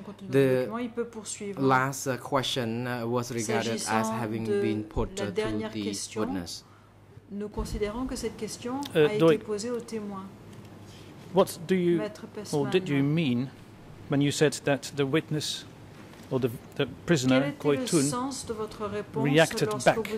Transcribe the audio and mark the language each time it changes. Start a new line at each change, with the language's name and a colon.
English: The last question was regarded as having been put to the witness.
French: Nous considérons que cette question a été posée au témoin.
English: What do you, or did you mean when you said that the witness or the prisoner, Koytun, reacted back?